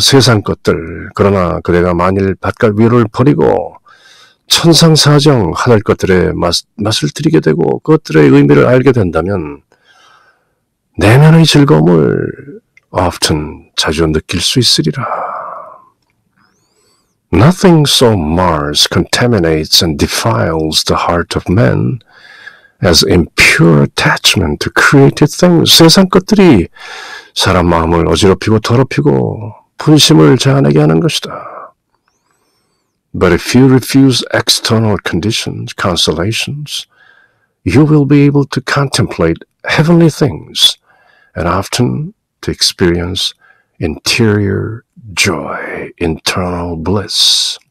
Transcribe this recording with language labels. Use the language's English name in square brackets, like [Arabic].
[Korean] 세상 것들. 그러나 그대가 만일 바깥 위로를 버리고 천상사정 하늘 것들의 맛을 들이게 되고 그것들의 의미를 알게 된다면 내면의 즐거움을 often 자주 느낄 수 있으리라. [English] Nothing so mars contaminates and defiles the heart of man as impure attachment to created things. [Korean] 세상 것들이 사람 마음을 어지럽히고 더럽히고 분심을 자아내게 하는 것이다. [English] But if you refuse external conditions, consolations, you will be able to contemplate heavenly things and often to experience interior joy, internal bliss.